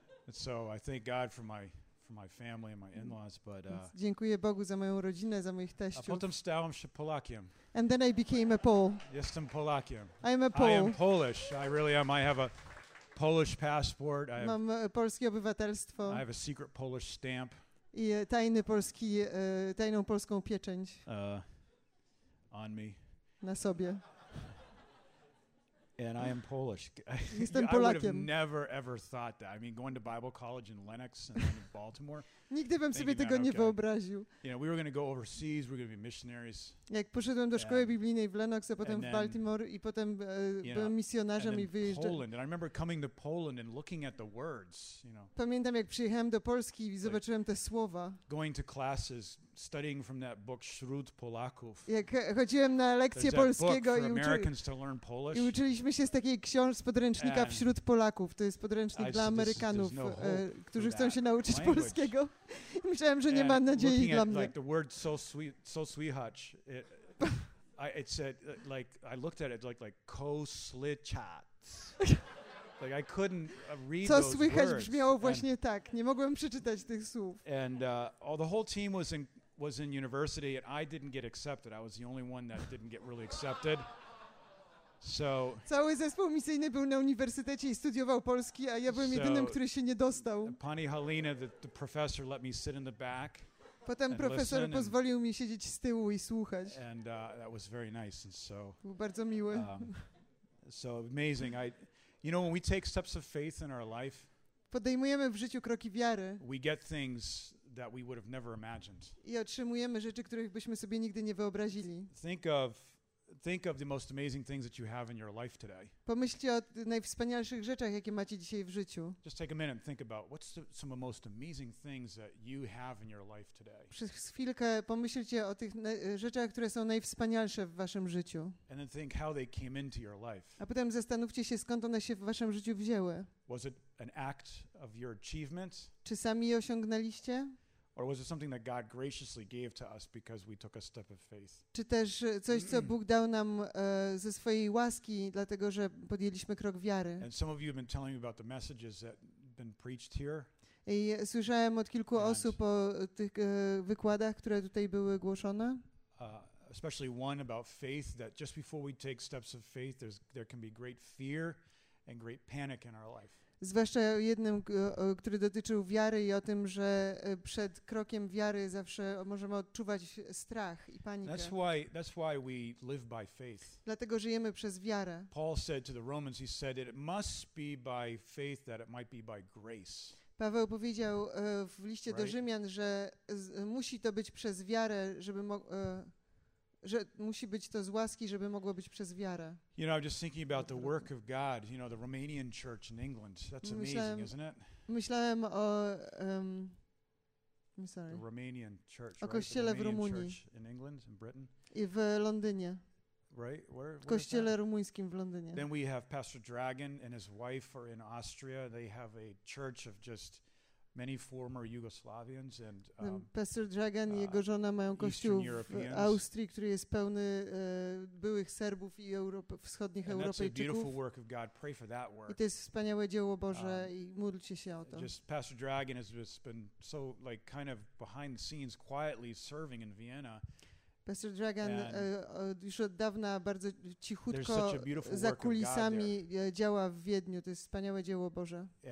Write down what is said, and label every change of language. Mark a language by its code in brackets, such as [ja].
[en] So I thank God for my family and my in-laws, but [pl] dziękuję Bogu za moją rodzinę, za moich teściów. A potem stałem się Polakiem. [en] And then I became a Pole. [pl] Jestem Polakiem. [en] I am a Pole. I am Polish. I really am. I have a Polish passport. [pl] Mam polskie obywatelstwo. [en] I have a secret Polish stamp. [pl] I tajny polski, tajną polską pieczęć. [en] On me. [pl] Na sobie. [en] And I am Polish. [pl] Jestem Polakiem. [en] I would have never ever thought that. I mean, going to Bible college in Lenox and then in Baltimore. [pl] Nigdy bym sobie tego nie wyobraził. [en] You know, we were going to go overseas, we're going to be missionaries. [pl] Jak poszedłem do szkoły biblijnej w Lenox, a potem w Baltimore i potem byłem misjonarzem i wyjeżdżałem. [en] Poland. And I remember coming to Poland and looking at the words, you know. [pl] Pamiętam, jak przyjechałem do Polski i zobaczyłem te słowa. [en] Going to classes, studying from that book Śród Polaków. [pl] Jak chodziłem na lekcje polskiego i uczyliśmy się z takiej książki, z podręcznika Wśród Polaków. To jest podręcznik dla Amerykanów, którzy chcą się nauczyć polskiego. I myślałem, że nie ma nadziei dla mnie. [en] Like the word [pl] so słychać. [en] It said like I looked at it like co-sli-chat. Like I couldn't read [pl] Co słychać brzmiało właśnie tak. Nie mogłem przeczytać tych słów. [en] And all the whole team was in university and I didn't get accepted. I was the only one that didn't get really accepted. So [pl] cały zespół misyjny był na uniwersytecie i studiował polski, a ja byłem jedynym, który się nie dostał. [en] Pani Halina, the professor, let me sit in the back. [pl] Potem profesor pozwolił mi siedzieć z tyłu i słuchać. [en] And that was very nice. And so [pl] był bardzo miły. [en] So amazing. You know, when we take steps of faith in our life, [pl] podejmujemy w życiu kroki wiary, [en] we get things that we would have never imagined. [pl] I otrzymujemy rzeczy, których byśmy sobie nigdy nie wyobrazili. [en] Think of the most amazing things that you have in your life today. [pl] Pomyślcie o najwspanialszych rzeczach, jakie macie dzisiaj w życiu. [en] Just take a minute and think about what's some of the most amazing things that you have in your life today. [pl] Przez chwilkę pomyślcie o tych rzeczach, które są najwspanialsze w waszym życiu. [en] And then think how they came into your life. [pl] A potem zastanówcie się, skąd one się w waszym życiu wzięły. [en] Was it an act of your achievement? [pl] Czy sami je osiągnęliście? [en] Or was it something that God graciously gave to us because we took a step of faith? [pl] Czy też coś, co Bóg dał nam ze swojej łaski, dlatego że podjęliśmy krok wiary? [en] And some of you have been telling me about the messages that have been preached here. [pl] I słyszałem od kilku osób o tych wykładach, które tutaj były głoszone. [en] Especially one about faith, that just before we take steps of faith, there can be great fear and great panic in our life. [pl] Zwłaszcza o jednym, który dotyczył wiary i o tym, że przed krokiem wiary zawsze możemy odczuwać strach i panikę. [en] That's why we live by faith. [pl] Dlatego żyjemy przez wiarę. [en] Paul said to the Romans, he said it must be by faith that it might be by grace. [pl] Paweł powiedział w liście do Rzymian, że musi to być przez wiarę, że musi być to z łaski, żeby mogło być przez wiarę. [en] You know, I'm just thinking about the work of God, you know, the Romanian church in England. That's amazing, isn't it? [pl] Myślałem o [en] I'm sorry. The Romanian church, [pl] o kościele [en] right? [pl] W Rumunii. [en] In England, in Britain. [pl] I w Londynie. [en] Right? Where? [pl] W kościele rumuńskim w Londynie. [en] Then we have Pastor Dragon and his wife are in Austria. They have a church of just many former Yugoslavians and [pl] Pastor Dragan i jego żona mają kościół w Austrii, który jest pełny byłych Serbów i wschodnich Europejczyków. I to jest wspaniałe dzieło Boże i módlcie się o to. [en] Just Pastor Dragan has just been so like kind of behind the scenes quietly serving in Vienna. [pl] Pastor Dragan już od dawna bardzo cichutko za kulisami działa w Wiedniu. To jest wspaniałe dzieło Boże.